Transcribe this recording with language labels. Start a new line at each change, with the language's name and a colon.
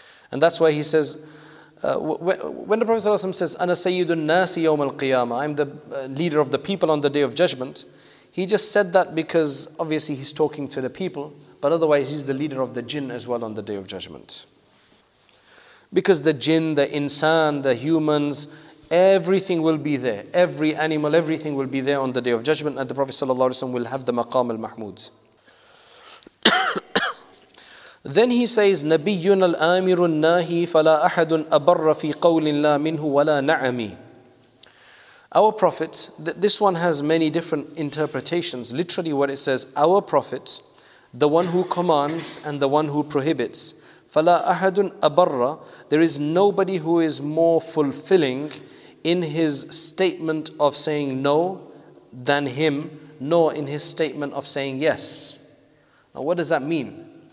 English: And that's why he says, when the Prophet sallallahu alayhi wa sallam says,
Arabic: Ana sayyidun nasi yawm al-qiyamah,
English: I'm the leader of the people on the day of judgment, he just said that because obviously he's talking to the people, but otherwise he's the leader of the jinn as well on the day of judgment. Because the jinn, the insan, the humans, everything will be there. Every animal, everything will be there on the day of judgment, and the Prophet sallallahu alayhi wa sallam will have the maqam al-mahmood. Then he says,
Arabic: نبينا الآمر الناهي فلا أحد أبر في قول لا منه ولا نعمي.
English: Our Prophet, this one has many different interpretations. Literally what it says, our Prophet, the one who commands and the one who prohibits.
Arabic: فلا أحد أبر,
English: there is nobody who is more fulfilling in his statement of saying no than him, nor in his statement of saying yes. Now what does that mean?